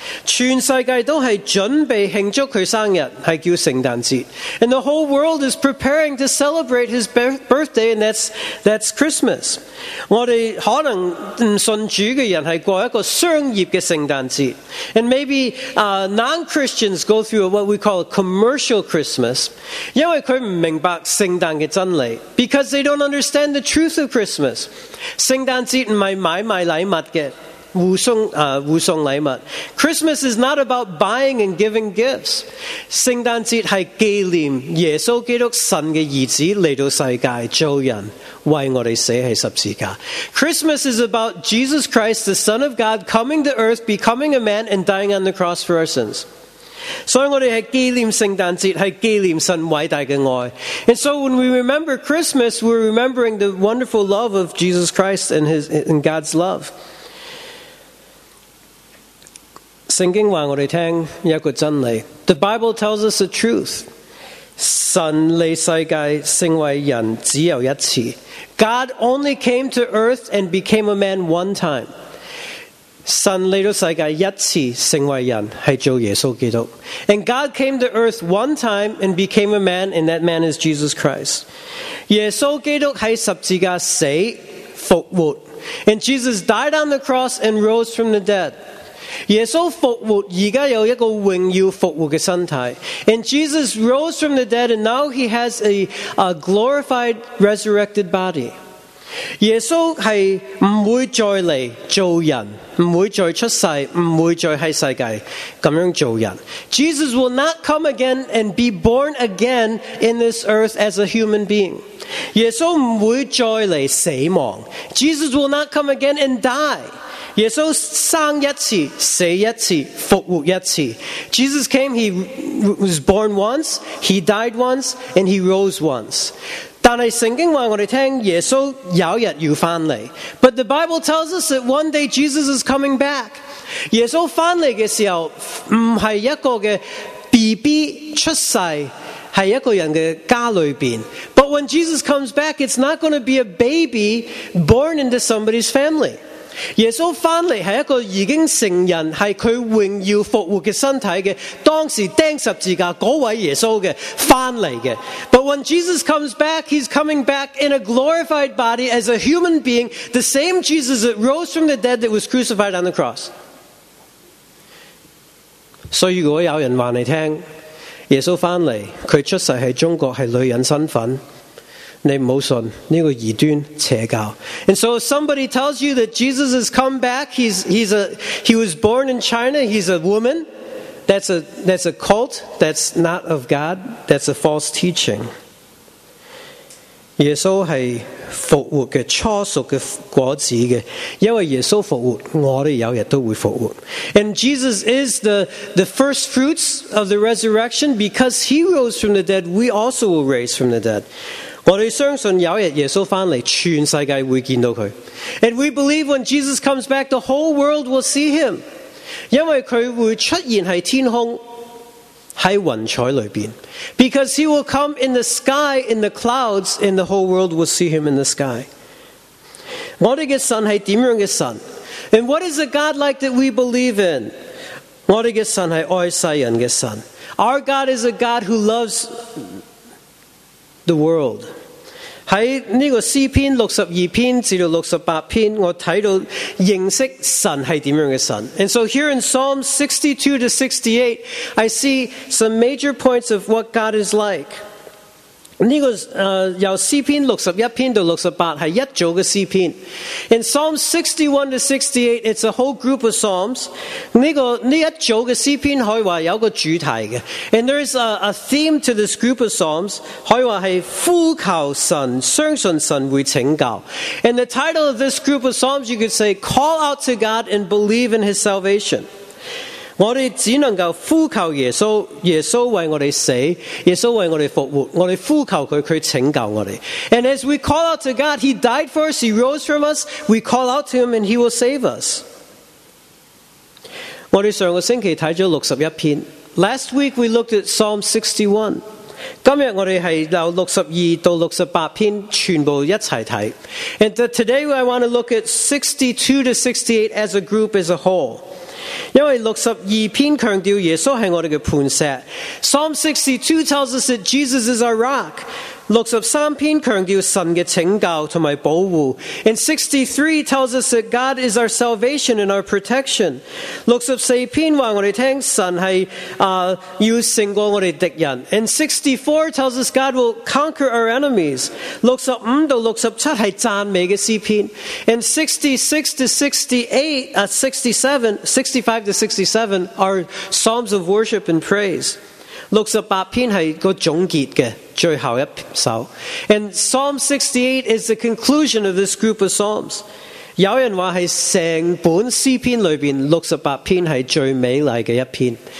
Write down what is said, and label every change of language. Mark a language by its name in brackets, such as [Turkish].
[Chinese] 全世界都是准备庆祝他生日，是叫圣诞节。 [English] And the whole world is preparing to celebrate his birthday, and that's Christmas. [Chinese] 我们可能不信主的人是过一个商业的圣诞节。 [English] And maybe, non-Christians go through what we call a commercial Christmas, [Chinese] 因为他不明白圣诞的真理。 [English] Because they don't understand the truth of Christmas. [Chinese] 圣诞节不是买卖礼物的。互送礼物。 [English] Christmas is not about buying and giving gifts. [Chinese] 圣诞节是纪念耶稣基督神的儿子来到世界做人，为我们死在十字架。 [English] Christmas is about Jesus Christ, the Son of God, coming to earth, becoming a man, and dying on the cross for our sins. [Chinese] 所以我们是纪念圣诞节，是纪念神伟大的爱。 [English] And so when we remember Christmas, we're remembering the wonderful love of Jesus Christ and God's love. [Chinese] 圣经告诉我们听一个真理。 [English] The Bible tells us the truth. [Chinese] 神来世界成为人只有一次。 [English] God only came to earth and became a man one time. [Chinese] 神来到世界一次成为人是做耶稣基督。 [English] And God came to earth one time and became a man, and that man is Jesus Christ. [Chinese] 耶稣基督在十字架死复活。 [English] And Jesus died on the cross and rose from the dead. [Chinese] 耶稣复活，现在有一个荣耀复活的身体。 [English] And Jesus rose from the dead, and now he has a glorified, resurrected body. [Chinese] 耶稣是不会再来做人，不会再出世，不会再在世界这样做人。 [English] Jesus will not come again and be born again in this earth as a human being. [Chinese] 耶稣不会再来死亡。 [English] Jesus will not come again and die. [Chinese] 耶稣生一次，死一次，复活一次。 [English] Jesus came, he was born once, he died once, and he rose once. [Chinese] 但是圣经告诉我们听，耶稣有一天要回来。 [English] But the Bible tells us that one day Jesus is coming back. [Chinese] 耶稣回来的时候，不是一个的 BB 出世，是一个人的家里面。 [English] But when Jesus comes back, it's not going to be a baby born into somebody's family. [Chinese] 耶稣回来是一个已经成人，是他荣耀复活的身体的，当时钉十字架那位耶稣的回来的。 [English] But when Jesus comes back, he's coming back in a glorified body as a human being, the same Jesus that rose from the dead that was crucified on the cross. [Chinese] 所以如果有人告诉你，耶稣回来，他出世在中国是女人身份，你不要信，这个异端邪教。 [English] And so if somebody tells you that Jesus has come back, he was born in China, he's a woman, that's a cult, that's not of God, that's a false teaching. [Chinese] 耶稣是复活的初熟的果子的，因为耶稣复活，我们有一天都会复活。 [English] And Jesus is the first fruits of the resurrection, because he rose from the dead, we also will raise from the dead. [Chinese] 我们相信有一天耶稣回来，全世界会见到他。 [English] And we believe when Jesus comes back, the whole world will see him. [Chinese] 因为他会出现在天空，在云彩里面。 [English] Because he will come in the sky, in the clouds, and the whole world will see him in the sky. [Chinese] 我们的神是怎样的神？ [English] And what is a God like that we believe in? [Chinese] 我们的神是爱世人的神。 [English] Our God is a God who loves... the world. [Chinese] 在这个诗篇62篇至68篇，我看到认识神是怎样的神。 [English] And so here in Psalm 62 to 68, I see some major points of what God is like. [Chinese] 这个由诗篇六十一篇到六十八是一组的诗篇。 [English] In Psalm 61 to 68, it's a whole group of Psalms. [Chinese] 这一组的诗篇可以说有个主题的。 [English] And there is a theme to this group of Psalms, [Chinese] 可以说是呼求神，相信神会拯救。 [English] And the title of this group of Psalms, you could say, Call out to God and believe in his salvation. [Chinese] 我们只能够呼求耶稣，耶稣为我们死，耶稣为我们复活，我们呼求祂，祂拯救我们。 [English] And as we call out to God, He died for us, He rose from us, we call out to Him and He will save us. [Chinese] 我们上个星期看了六十一篇， [English] Last week we looked at Psalm 61. [Chinese] 今天我们是由六十二到六十八篇全部一起看。 [English] And today I want to look at 62 to 68 as a group, as a whole. [Chinese] 因为六十二篇强调耶稣是我们的磐石。 [English] Psalm 62 tells us that Jesus is our rock. [Chinese] 六十三篇强调神的拯救和保护。 [English] And 63 tells us that God is our salvation and our protection. [Chinese] 六十四篇告诉我们神是要胜过我们敌人。 [English] And 64 tells us God will conquer our enemies. [Chinese] 六十五到六十七是赞美的诗篇。 [English] And 65 to 67 are psalms of worship and praise. [Chinese] 六十八篇是个总结的最后一首。 [English] And Psalm 68 is the conclusion of this group of Psalms. [Chinese] 有人说是整本诗篇里面六十八篇是最美丽的一篇。